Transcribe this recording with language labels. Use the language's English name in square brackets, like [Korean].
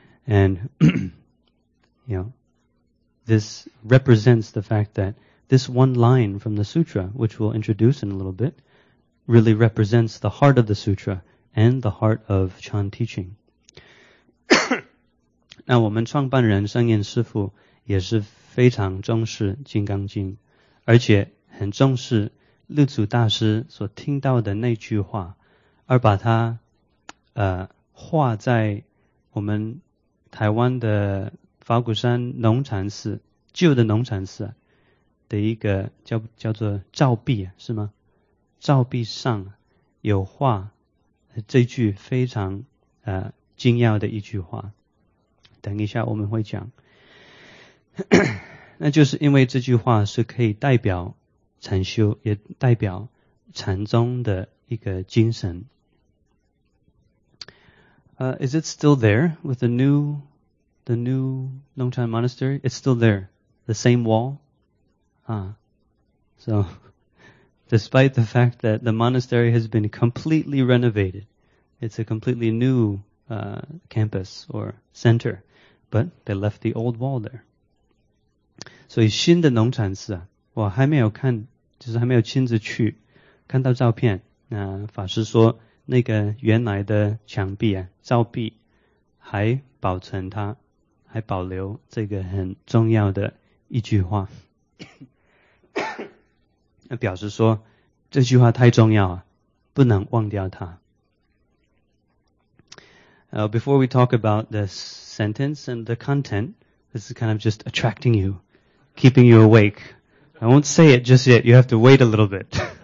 [English] And, you know, this represents the fact that this one line from the sutra, which we'll introduce in a little bit, really represents the heart of the sutra and the heart of Chan teaching. [Chinese] 那我们创办人圣严师父也是非常重视金刚经，而且很重视六祖大师所听到的那句话，而把它画在我们台湾的法鼓山农禅寺，旧的农禅寺的一个叫做照壁，是吗？照壁上有画这句非常精要的一句话，等一下我们会讲。那就是因为这句话是可以代表禅修，也代表禅宗的一个精神。 [English] Is it still there with the new Nongchan Monastery? It's still there. The same wall? So, despite the fact that the monastery has been completely renovated, it's a completely new, campus or center, but they left the old wall there. [Chinese] 所以新的农禅寺啊，我还没有看，就是还没有亲自去，看到照片，那法师说那个原来的墙壁啊，照壁还保存它，还保留这个很重要的一句话。那表示说这句话太重要啊，不能忘掉它。 [English] Before we talk about the sentence and the content, this is kind of just attracting you, keeping you awake. I won't say it just yet, you have to wait a little bit.